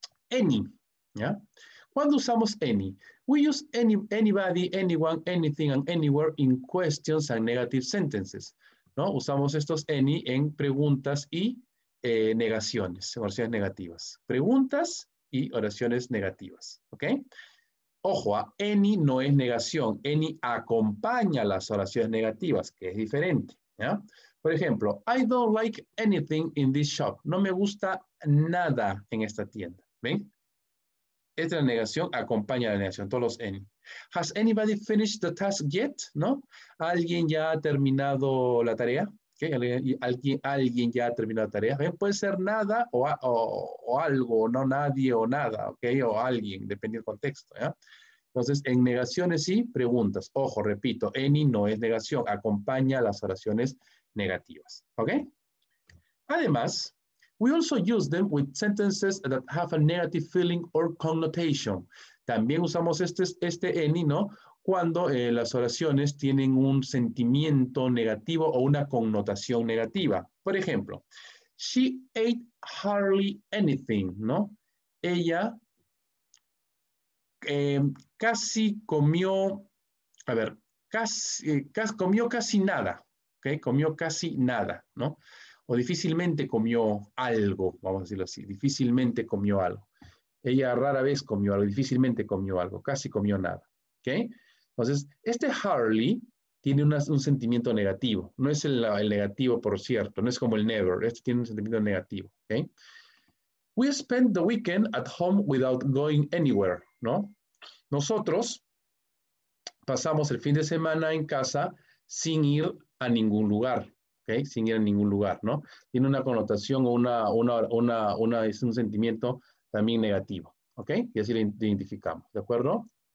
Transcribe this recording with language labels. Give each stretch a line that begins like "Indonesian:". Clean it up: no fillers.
English: Any, ¿ya?
Spanish: ¿Cuándo usamos any?
English: We use anybody, anyone, anything, and anywhere in questions and negative sentences, ¿no?
Spanish: Usamos estos any en preguntas y negaciones, oraciones negativas. Preguntas y oraciones negativas. ¿Ok? Ojo, any no es negación. Any acompaña las oraciones negativas, que es diferente. ¿Ya? Por ejemplo,
English: I don't like anything in this shop.
Spanish: No me gusta nada en esta tienda. ¿Ven? Esta negación acompaña a la negación, todos los any.
English: Has anybody finished the task yet?
Spanish: ¿No? ¿Alguien ya ha terminado la tarea? ¿Qué? ¿Alguien ya ha terminado la tarea? ¿Ven? Puede ser nada o algo, no nadie o nada, ¿okay? O alguien, depende del contexto. ¿Ya? Entonces, en negaciones sí, preguntas. Ojo, repito, any no es negación, acompaña a las oraciones negativas. ¿Okay? Además,
English: we also use them with sentences that have a negative feeling or connotation.
Spanish: También usamos este any, ¿no? Cuando las oraciones tienen un sentimiento negativo o una connotación negativa. Por ejemplo,
English: she ate hardly anything, ¿no?
Spanish: Ella casi comió, a ver, casi comió casi nada, ¿ok? Comió casi nada, ¿no? O difícilmente comió algo, vamos a decirlo así, difícilmente comió algo. Ella rara vez comió algo, difícilmente comió algo, casi comió nada, ¿ok? Entonces, este hardly tiene un sentimiento negativo. No es el negativo, por cierto, no es como el never, este tiene un sentimiento negativo, ¿ok?
English: We spent the weekend at home without going anywhere, ¿no?
Spanish: Nosotros pasamos el fin de semana en casa sin ir a ningún lugar. Okay, sin ir a ningún lugar, ¿no? Tiene una connotación o una es un sentimiento también negativo, ¿ok? Y así lo identificamos, ¿de acuerdo?